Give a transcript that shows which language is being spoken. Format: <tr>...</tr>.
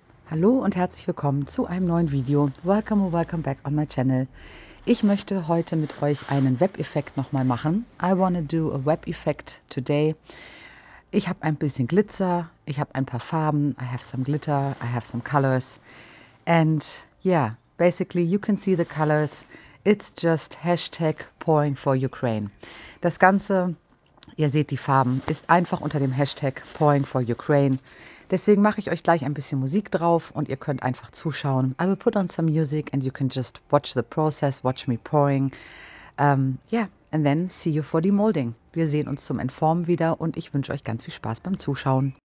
<de>Hallo und herzlich willkommen zu einem neuen Video.</de> <en>Welcome or welcome back on my channel.</en> <de>Ich möchte heute mit euch einen Web-Effekt nochmal machen.</de> <en>I wanna do a Web-Effekt today.</en> <de>Ich habe ein bisschen Glitzer, ich habe ein paar Farben,</de> <en>I have some glitter, I have some colors. And yeah, basically you can see the colors. It's just hashtag pouring for Ukraine.</en> <de>Das Ganze, ihr seht die Farben, ist einfach unter dem Hashtag pouring for Ukraine. Deswegen mache ich euch gleich ein bisschen Musik drauf und ihr könnt einfach zuschauen.</de> <en>I will put on some music and you can just watch the process, watch me pouring. Yeah, and then see you for the molding.</en> <de>Wir sehen uns zum Entformen wieder und ich wünsche euch ganz viel Spaß beim Zuschauen.</de>